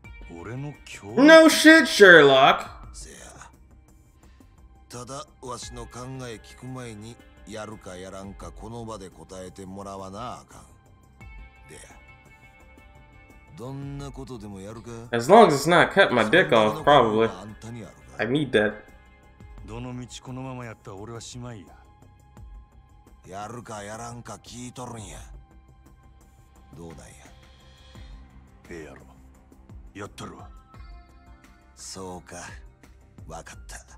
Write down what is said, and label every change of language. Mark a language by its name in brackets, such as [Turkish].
[Japanese] 俺の協力？ [English] No shit, Sherlock。 [Japanese] せや、ただわしの考え聞く前にやるかやらんかこの場で答えてもらわなあかん。で、どんなことでもやるか。 [English] As long as it's not cut my dick off, probably. I need that. [Japanese] どの道このままやったら俺はしまいや。やるかやらんか聞いとるんや。どうだいや。ええやろ。やっとるわ。そうか。わかった。